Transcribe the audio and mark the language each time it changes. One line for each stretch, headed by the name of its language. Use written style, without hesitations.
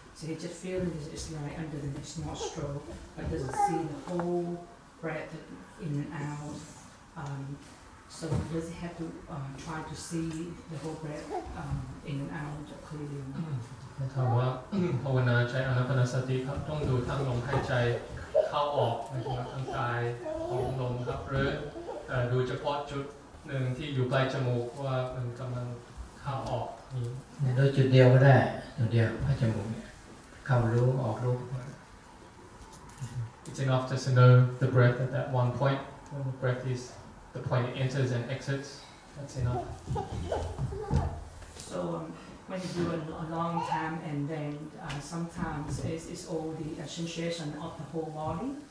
English: So he just feels it's like under the nostril, but doesn't see the whole breath in and out. So does he have to try to see the whole breath in and out clearly?
Thai: ถ้าว่าภาวนาใจอนัปปนสติครับต้องดูทั้งลมหายใจเข้าออกนะครับทั้งกายของลมครับหรือดูเฉพาะจุดหนึ่งที่อยู่ปลายจมูกว่ามันกำลังเข้าออกนี่ในโดยจุดเดียวก็ได้จุดเดียวปลายจมูกเข้ารู้ออกรู้
English: It's enough just to know the breath at that one point. When the breath is the point it enters and exits, that's enough. So when you do a long time and then sometimes it's all the sensation of the whole body.